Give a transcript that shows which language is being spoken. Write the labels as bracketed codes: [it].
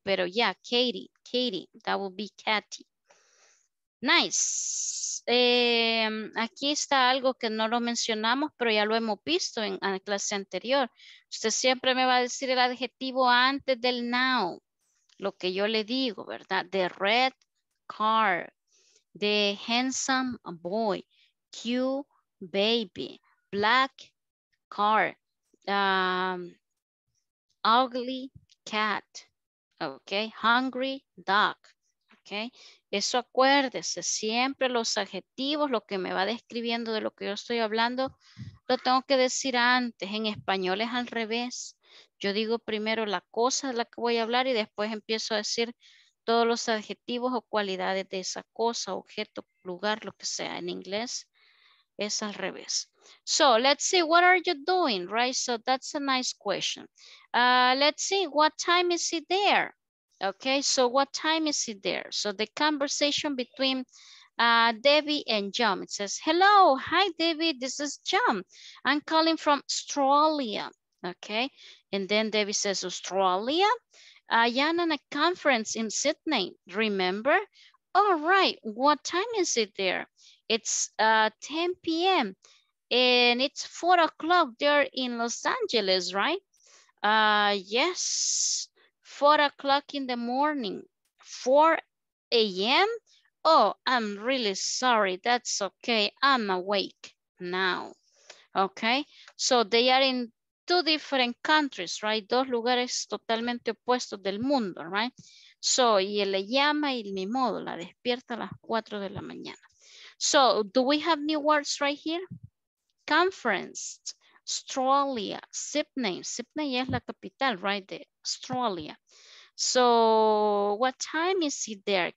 [es] Pero [en] yeah, Katie, Katie, that would be Katy. Nice. [es] Aquí está algo que no lo mencionamos, pero ya lo hemos visto en la clase anterior. Usted siempre me va a decir el adjetivo antes del noun, lo que yo le digo, ¿verdad? [en] The red car, the handsome boy, cute baby, black car, ugly cat, okay, hungry dog. Okay. [es] Eso acuérdese, siempre los adjetivos, lo que me va describiendo de lo que yo estoy hablando, lo tengo que decir antes. En español es al revés. Yo digo primero la cosa de la que voy a hablar y después empiezo a decir todos los adjetivos o cualidades de esa cosa, objeto, lugar, lo que sea. En inglés es al revés. [en] So, let's see, what are you doing, right? So, that's a nice question. Let's see, what time is it there? Okay, so what time is it there? So the conversation between Debbie and John, it says, hello, hi Debbie, this is John. I'm calling from Australia. Okay, and then Debbie says, Australia? I am on a conference in Sydney, remember? All right, what time is it there? It's 10 p.m. and it's 4 o'clock there in Los Angeles, right? Yes. 4 o'clock in the morning, 4 a.m. Oh, I'm really sorry. That's okay. I'm awake now. Okay. So they are in two different countries, right? [es] Dos lugares totalmente opuestos del mundo, [en] right? So, [es] y él le llama y mi modo, la despierta a las 4 de la mañana. [en] So, do we have new words right here? Conference, Australia, Sydney. Sydney [es] es la capital, [en] right? The Australia. So, what time is it there?